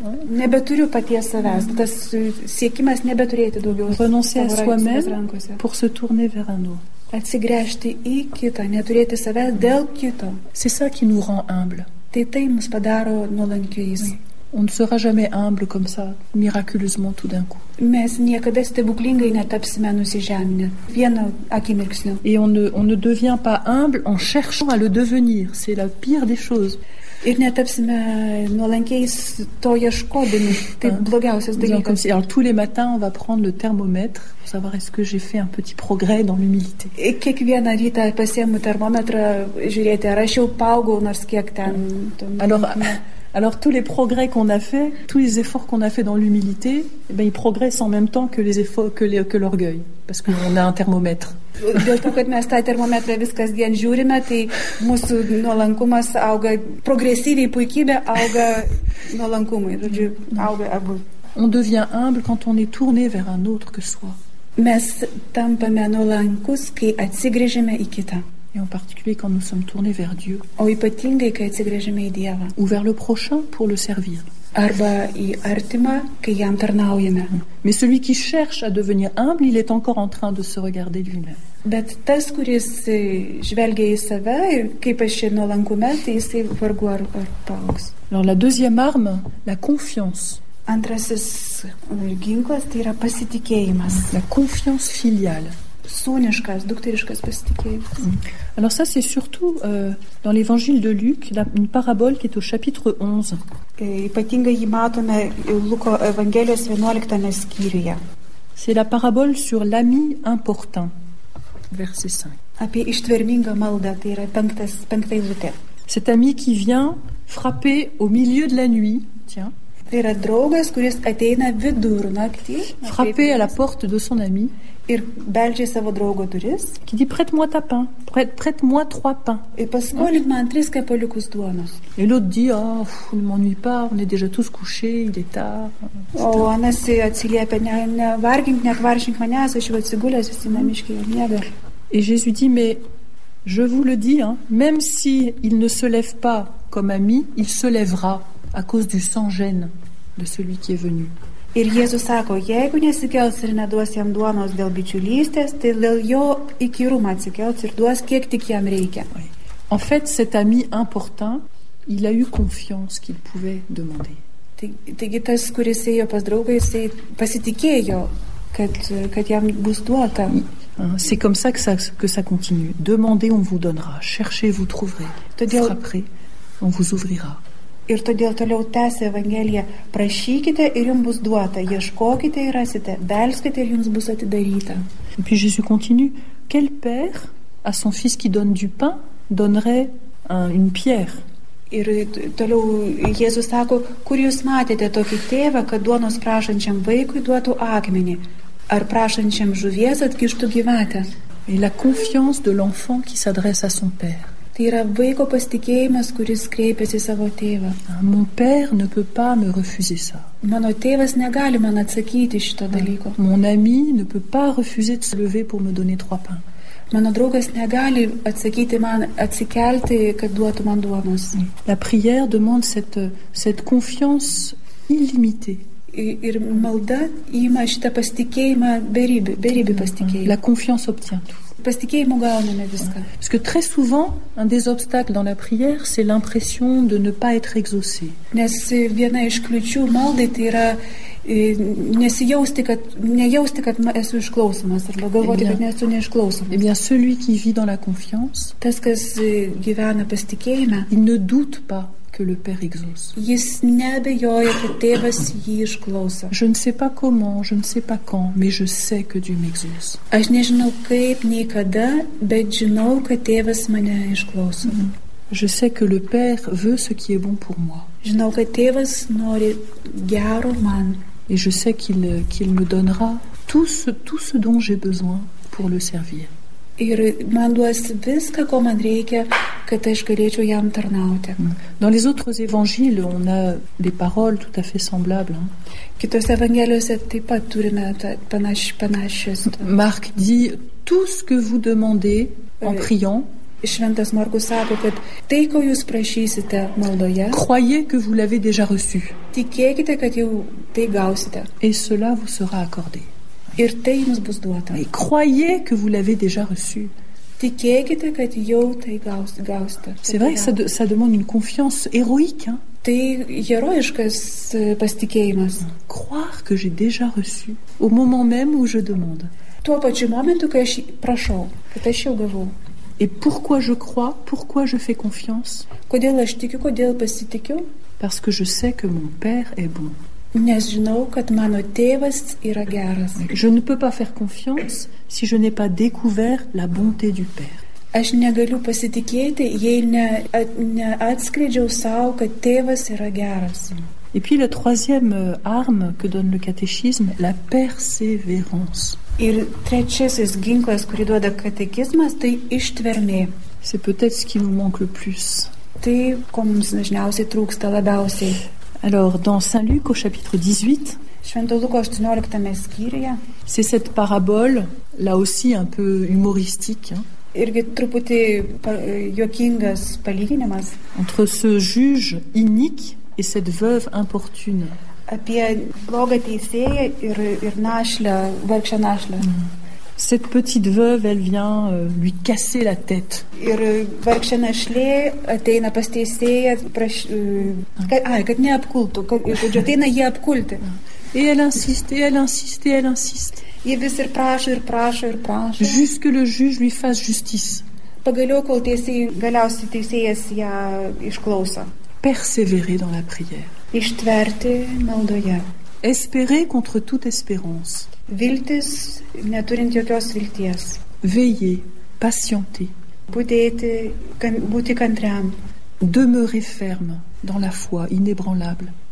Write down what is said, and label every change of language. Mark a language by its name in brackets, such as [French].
[Lithuanian] Nebeturiu paties savęs, tas siekimas nebeturėti daugiau [French] renoncer à soi-même pour se tourner vers un autre. [Lithuanian] Atsigręžti į kitą, neturėti savęs dėl kito. [French] C'est ça qui nous rend humble. [Lithuanian] Tai mus padaro nuolankiais. [French] On ne sera jamais humble comme ça, miraculeusement tout d'un coup. [Lithuanian] Mes niekada stebuklingai netapsime nusižeminę vieną akimirksnį. [French] Et on ne devient pas humble en cherchant à le devenir, c'est la pire des choses. [Lithuanian] Ir netapsime nuolankiais to ieškodami. Tai blogiausias dalykas. [French] Alors tous les matins on va prendre le thermomètre pour savoir est-ce que j'ai fait un petit progrès dans l'humilité. Et [Lithuanian] kiekvieną rytą pasiemu termometrą žiūrėti, ar aš jau paaugau nors kiek ten. [French] Alors tous les progrès qu'on a fait, tous les efforts qu'on a fait dans l'humilité, eh ben ils progressent en même temps que les efforts que l'orgueil parce que on a un thermomètre. [Lithuanian] Dėl to, kad mes tą termometrą vis kasdien žiūrime, tai mūsų nuolankumas auga, progresyviai puikybė auga nuolankumui. Žodžiu, auga abu. [French] On devient humble quand on est tourné vers un autre que soi. [Lithuanian] Mes tampame nuolankus, kai atsigrėžime į kitą. [French] Et en particulier quand nous sommes tournés vers Dieu. [Lithuanian] O ypatingai, kai atsigrėžime į Dievą. [French] Ou vers le prochain pour le servir. [Lithuanian] Arba į artimą, kai jam tarnaujame. [French] Mais celui qui cherche à devenir humble, il est encore en train de se regarder lui-même. [Lithuanian] Bet tas, kuris žvelgia į save, ir kaip aš čia nuolankume, tai jisai vargu ar paaugs. [French] Alors la deuxième arme, la confiance. [Lithuanian] Antrasis ginklas, tai yra pasitikėjimas. [French] La confiance filiale. [Lithuanian] Sūniškas, dukteriškas pasitikėjimas. [French] Alors ça c'est surtout dans l'évangile de Luc, une parabole qui est au chapitre 11. [Lithuanian] Ypatingai jį matome Luko evangelijos 11 skyriuje. [French] C'est la parabole sur l'ami important, verset 5. [Lithuanian] Apie ištvermingą maldą, tai yra penktas eilutė. [French] Cet ami qui vient frapper au milieu de la nuit, tiens. [Lithuanian] Tai yra draugas, kuris ateina vidurnaktį. [French] Frapper à la porte de son ami. [Lithuanian] Ir beldžia savo draugo duris. [French] Qui dit prête-moi ta pain, prête-moi trois pains. Et [Lithuanian] paskolink man tris kepaliukus duonos. [French] Et l'autre dit, oh, ne m'ennuie pas, on est déjà tous couchés, il est tard. [Lithuanian] O anas atsiliepia, nevargink, nekvaršink manęs, aš jau atsigulęs, visi namiškiai jau miega. [French] Et Jésus dit, mais je vous le dis, hein, même si il ne se lève pas comme ami, il se lèvera à cause du sang-gêne de celui qui est venu. [Lithuanian] Ir Jėzus sako, jeigu nesikels ir neduos jam duonos dėl bičiulystės, tai dėl jo įkyrumą atsikels ir duos, kiek tik jam reikia. [French] Oui. En fait, cet ami important, il a eu confiance qu'il pouvait demander. [Lithuanian] Taigi tas, kuris ėjo pas draugą, jisai pasitikėjo, kad jam bus duota. [French] C'est comme ça que ça continue. Demandez, on vous donnera. Cherchez, vous trouverez. [Lithuanian] Todėl [French] frapperez, on vous ouvrira. [Lithuanian] Ir todėl toliau tęsia evangelija, prašykite ir jums bus duota, ieškokite ir rasite, belskite ir jums bus atidaryta. [French] Et puis Jésus continue, quel père à son fils qui donne du pain donnerait une pierre? [Lithuanian] Ir toliau Jėzus sako, kur jūs matėte tokį tėvą, kad duonos prašančiam vaikui duotų akmenį, ar prašančiam žuvies atkištų gyvatę. [French] Et la confiance de l'enfant qui s'adresse à son père. [Lithuanian] Tai yra vaiko pasitikėjimas, kuris kreipiasi savo tėvą. [French] Mon père ne peut pas me refuser ça. [Lithuanian] Mano tėvas negali man atsakyti šito dalyko. [French] Mon ami ne peut pas refuser de se lever pour me donner trois pains. [Lithuanian] Mano draugas negali atsakyti man atsikelti, kad duotų man duonos. [French] La prière demande cette confiance illimitée. [Lithuanian] Ir malda ima šitą pasitikėjimą beribį pasitikėjimą. [French] La confiance obtient tout. [Lithuanian] Pasitikėjimu gauname viską. [French] Parce que très souvent, un des obstacles dans la prière, c'est l'impression de ne pas être exaucé. [Lithuanian] Nes viena iš kliūčių maldai, tai yra nejausti, kad esu išklausomas, arba galvoti, kad nesu neišklausomas. [French] Et bien, celui qui vit dans la confiance, [Lithuanian] tas, kas gyvena pasitikėjime, [French] il ne doute pas que le Père exauce. [Lithuanian] Jis nebejoja, kad tėvas jį išklauso. [French] Je ne sais pas comment, je ne sais pas quand, mais je sais que Dieu m'exauce. [Lithuanian] Aš nežinau kaip, nei kada, bet žinau, kad tėvas mane išklauso. Mm-hmm. [French] Je sais que le Père veut ce qui est bon pour moi. [Lithuanian] Žinau, kad tėvas nori gero man. [French] Et je sais qu'il me donnera tout ce dont j'ai besoin pour le servir. [Lithuanian] Ir man duos viską, ko man reikia, kad aš galėčiau jam tarnauti. [French] Dans les autres évangiles, on a des paroles tout à fait semblables. [Lithuanian] Kitose evangelijose taip pat turime panašias. [French] Marc dit tout ce que vous demandez en priant. [Lithuanian] Šventas Markus sako, kad tai, ko jūs prašysite maldoje, [French] croyez que vous l'avez déjà reçu. [Lithuanian] Tikėkite, kad jau tai gausite. [French] Et cela vous sera accordé. [Lithuanian] Ir tai jums bus duota. [French] Et croyez que vous l'avez déjà reçu. [Lithuanian] Tikėkite, kad jau tai gausite. [French] C'est vrai, ça demande une confiance héroïque, hein? [Lithuanian] Tai herojiškas pasitikėjimas. [French] Croire que j'ai déjà reçu au moment même où je demande. [Lithuanian] Tuo pačiu momentu, kai aš prašau, kad aš jau gavau. [French] Et pourquoi je crois, pourquoi je fais confiance? [Lithuanian] Kodėl aš tikiu, kodėl pasitikiu? [French] Parce que je sais que mon père est bon. [Lithuanian] Nes žinau, kad mano tėvas yra geras. [French] Je ne peux pas faire confiance si je n'ai pas découvert la bonté du père. [Lithuanian] Aš negaliu pasitikėti, jei neatskleidžiau sau, kad tėvas yra geras. [French] Et puis la troisième arme que donne le catéchisme, la persévérance. [Lithuanian] Ir trečiasis ginklas, kurį duoda katekizmas, tai ištvermė. [French] C'est peut-être ce qui nous manque le plus. [Lithuanian] Tai, ko mums dažniausiai trūksta labiausiai. [French] Alors, dans Saint-Luc, au chapitre 18, [Lithuanian] Švento Luko 18 skyriuje, [French] c'est cette parabole, là aussi un peu humoristique, hein. [Lithuanian] Irgi truputį juokingas palyginimas. [French] Entre ce juge inique et cette veuve importune. [Lithuanian] Apie blogą teisėją ir našlę, vargšę našlę. Mm. [French] Cette petite veuve, elle vient lui casser la tête. [Lithuanian] Ir vargšė našlė ateina pas teisėją, kad neapkultų, kad ateina jį apkulti. [French] Et elle insiste, et elle insiste, et elle insiste. [Lithuanian] Jį vis ir prašo, ir prašo, ir prašo. [French] Jusque le juge lui fasse justice. [Lithuanian] Pagaliau, kol galiausiai teisėjas ją išklauso. [French] Persévérer dans la prière. [Lithuanian] Ištverti maldoje. [French] Espérer contre toute espérance. [Lithuanian] Viltis, neturint jokios vilties. [French] Veiller, patienter. [Lithuanian] Būti kantriam. [French] Demeurer ferme dans la foi inébranlable.